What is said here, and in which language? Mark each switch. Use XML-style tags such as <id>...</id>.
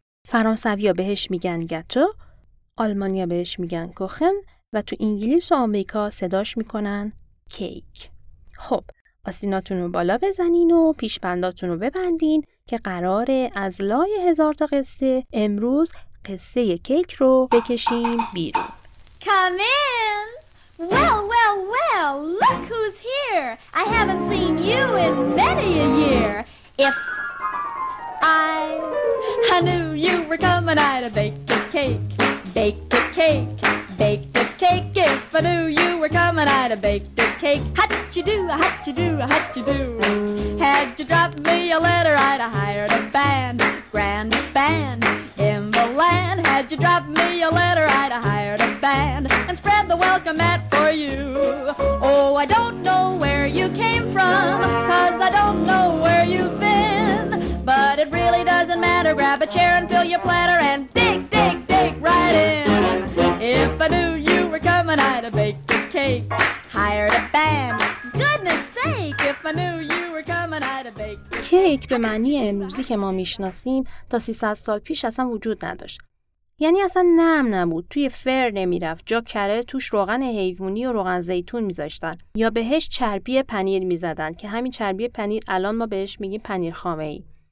<fa>فرانسویا بهش میگن گاتو، آلمانیا بهش میگن کوخن و تو انگلیس و آمریکا صداش میکنن کیک. خب آستیناتون رو بالا بزنین و پیشبنداتون رو ببندین که قراره از لای هزار تا قصه امروز قصه کیک رو بکشیم بیرون.</fa> <en>Come in! Well, well, well, look who's here! I haven't seen you in many a year! If I knew you were coming, I'd bake a cake, bake a cake, bake a cake. If I knew you were coming, I'd bake the cake. Hatchadoo, hatchadoo, hatchadoo. Had you dropped me a letter, I'd hired a band, grandest band in the land. Had you dropped me a letter, I'd hired a band and spread the welcome mat for you. Oh, I don't know where you came from, 'cause I don't know where you've been. But it really doesn't matter, grab a chair and fill your platter and dig, dig, dig right in. If I knew you were coming, I'd have baked a cake, hired a band. Goodness sake, if I knew you were coming, I'd have baked a cake.</en> <fa>کیک به معنی امروزی که ما میشناسیم تا 300 سال پیش اصلا وجود نداشت. یعنی اصلا نم نبود، توی فر نمی رفت، جا کره توش روغن حیوانی و روغن زیتون می زاشتن یا بهش چربی پنیر می زدن که همین چربی پنیر الان ما بهش میگیم پنیر خامه ای.</fa>